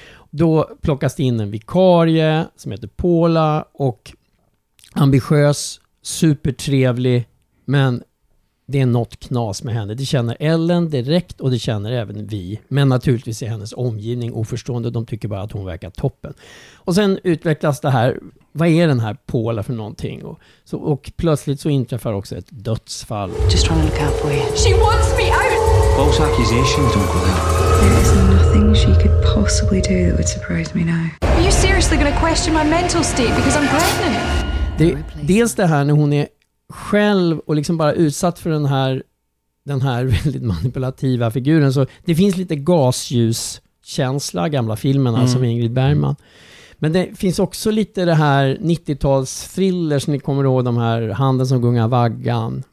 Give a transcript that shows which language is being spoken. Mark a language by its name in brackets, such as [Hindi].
[Swedish] Då plockas det in en vikarie som heter Paula och ambitiös, supertrevlig, men det är något knas med henne. Det känner Ellen direkt och det känner även vi. Men naturligtvis är hennes omgivning oförstående. De tycker bara att hon verkar toppen. Och sen utvecklas det här. Vad är den här Paula för någonting? Och plötsligt så inträffar också ett dödsfall. [English] Just trying to look out for you. She wants me out! False accusations, don't go there. There's nothing she could possibly do that would surprise me now. Are you seriously going to question my mental state because I'm pregnant? [Swedish] Dels det här när hon är själv och liksom bara utsatt för den här väldigt manipulativa figuren. Så det finns lite gasljuskänsla, gamla filmerna som Ingrid Bergman. Men det finns också lite det här 90-tals thriller som ni kommer ihåg, de här Handen som gungar vaggan.